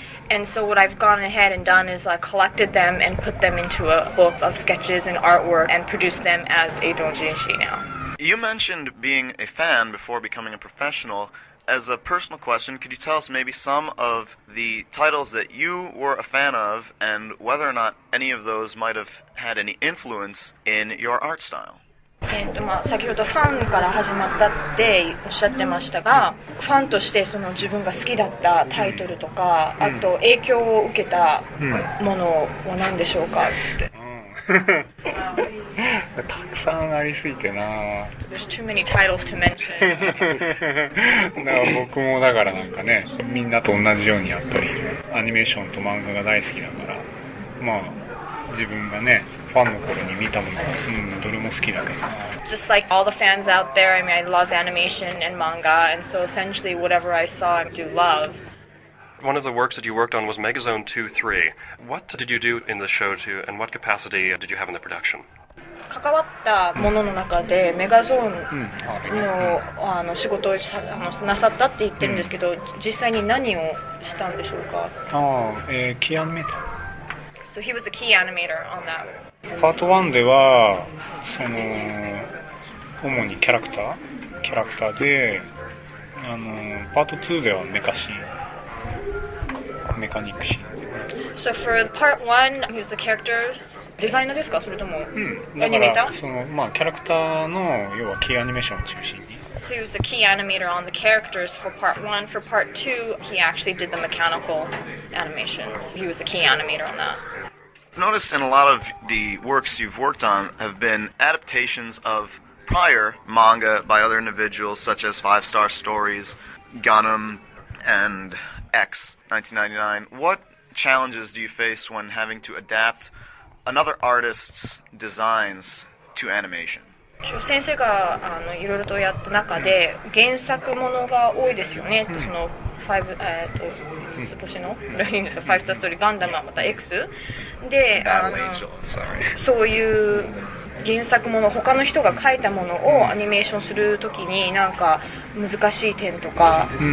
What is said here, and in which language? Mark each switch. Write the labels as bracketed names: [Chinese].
[English] And so what I've gone ahead and done is collected them and put them into a book of sketches and artwork and produced them as a doujinshi now. You mentioned being a fan before becoming a professional. As a personal question, could you tell us maybe some of the titles that you were a fan of and whether or not any of those might have had any influence in your art style? [Japanese] 先ほどファンから始まったっておっしゃってましたが、ファンとしてその自分が好きだったタイトルとか、あと影響を受けたものは何でしょうかって。たくさんありすぎてな。 [English] There's too many titles to mention. [Japanese] だから僕もだからなんかね、みんなと同じようにやっぱりアニメーションと漫画が大好きだから、まあ自分がね。 [English] Just like all the fans out there, I mean, I love animation and manga, and so essentially whatever I saw, I do love. One of the works that you worked on was Megazone 2-3. What did you do in the show to, and what capacity did you have in the production? [Japanese] 関わったものの中でメガゾーン の, あの仕事をさあのなさったって言ってるんですけど、実際に何をしたんでしょうか？キーアニメーター。 [English] So he was a key animator on that. [Japanese] パート1ではその主にキャラクターで、あのパート2ではメカシーン、メカニックシーン。 [English] So for part 1, he was the characters designer [Japanese] ですか、それともアニメーター？そのまあキャラクターの要はキーアニメーションを中心に。 [English] So he was the key animator on the characters for part 1. For part 2, he actually did the mechanical animations. He was a key animator on that. I've noticed in a lot of the works you've worked on have been adaptations of prior manga by other individuals such as Five Star Stories, Gundam, and X, 1999. What challenges do you face when having to adapt another artist's designs to animation? [Japanese] 先生が、あの、いろいろとやった中で、原作ものが多いですよね。その、星のファイブスターストーリーガンダムはまた X で、あの、そういう原作もの、他の人が書いたものをアニメーションするときに何か難しい点とか、